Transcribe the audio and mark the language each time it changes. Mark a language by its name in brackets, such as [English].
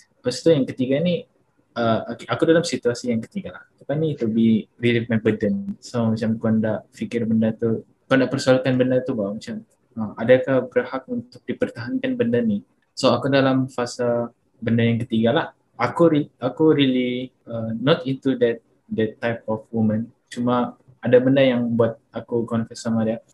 [Malay] Lepas tu yang ketiga ni, okay, aku dalam situasi yang ketiga lah. Apa ni, [English] to be relieve my burden. [Malay] So macam kau nak fikir benda tu, kau nak persoalkan benda tu bah, macam adakah berhak untuk dipertahankan benda ni. So aku dalam fasa benda yang ketiga lah. Aku [English] really not into that type of woman. [Malay] Cuma ada benda yang buat aku confess sama dia.